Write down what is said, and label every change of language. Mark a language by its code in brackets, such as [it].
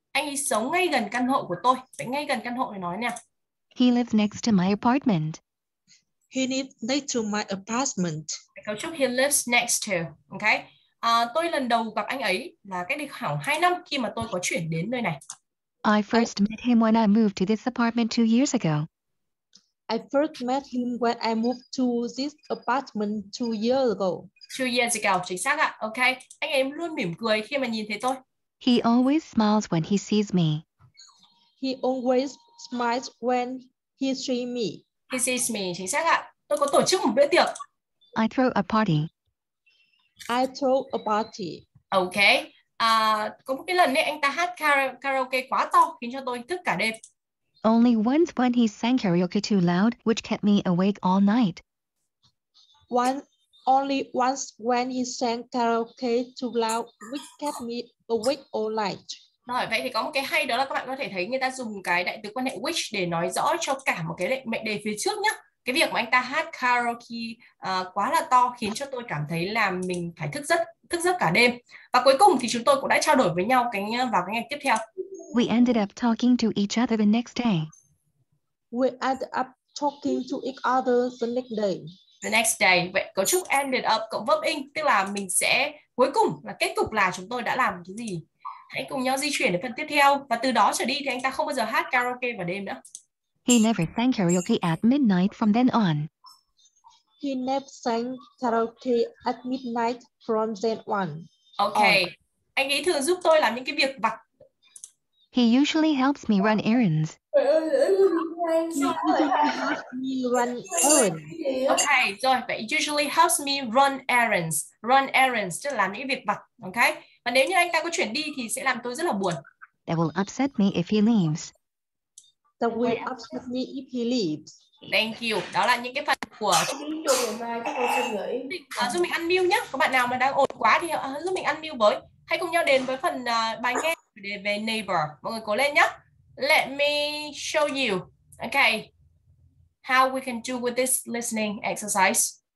[vi] Anh ấy sống ngay gần căn hộ của tôi. Vậy ngay gần căn hộ để nói nè. [en] He lives next to my apartment. He lives next to my apartment. [vi] Cấu trúc [en] he lives next to. Okay. [vi] Tôi lần đầu gặp anh ấy là cách đây khoảng 2 năm khi mà tôi có chuyển đến nơi này. [en] I first met him when I moved to this apartment 2 years ago. I first met him when I moved to this apartment 2 years ago. 2 years ago, [vi] chính xác ạ. Ok, anh em luôn mỉm cười khi mà nhìn thấy tôi. [en] He always smiles when he sees me. He always smiles when he sees me. He sees me, [vi] chính xác ạ. Tôi có tổ chức một bữa tiệc. [en] I throw a party. I throw a party. Ok. [vi] Có một cái lần ấy, anh ta hát karaoke quá to khiến cho tôi thức cả đêm. [en] Only once when he sang karaoke too loud, which kept me awake all night. Only once when he sang karaoke too loud, which kept me awake all night. [vi] Rồi, vậy thì có một cái hay đó là các bạn có thể thấy người ta dùng cái đại từ quan hệ which để nói rõ cho cả một cái mệnh đề phía trước nhé. Cái việc mà anh ta hát karaoke quá là to khiến cho tôi cảm thấy là mình phải thức giấc cả đêm. Và cuối cùng thì chúng tôi cũng đã trao đổi với nhau vào cái ngày tiếp theo. [en] We ended up talking to each other the next day. We ended up talking to each other the next day. The next day. [vi] Vậy cấu trúc ended up cộng verb ing tức là mình sẽ cuối cùng là kết cục là chúng tôi đã làm cái gì. Hãy cùng nhau di chuyển đến phần tiếp theo. Và từ đó trở đi thì anh ta không bao giờ hát karaoke vào đêm nữa. [en] He never sang karaoke at midnight from then on. He never sang karaoke at midnight from then on. Okay. On. [vi] Anh ấy thường giúp tôi làm những cái việc vặt. [en] He usually helps me run errands. Okay, rồi. But it usually helps me run errands. [vi] Run errands, tức là làm những việc vặt. Okay? Và nếu như anh ta có chuyển đi thì sẽ làm tôi rất là buồn. [en] That will upset me if he leaves. That will upset me if he leaves. Thank you. [vi] Đó là những cái phần của... giúp mình unmute nhé. Có bạn nào mà đang ồn quá thì giúp mình unmute với. Hãy cùng nhau đến với phần bài nghe về neighbor. Mọi người cố lên nhé. [en] Let me show you. Okay. How we can do with this listening exercise.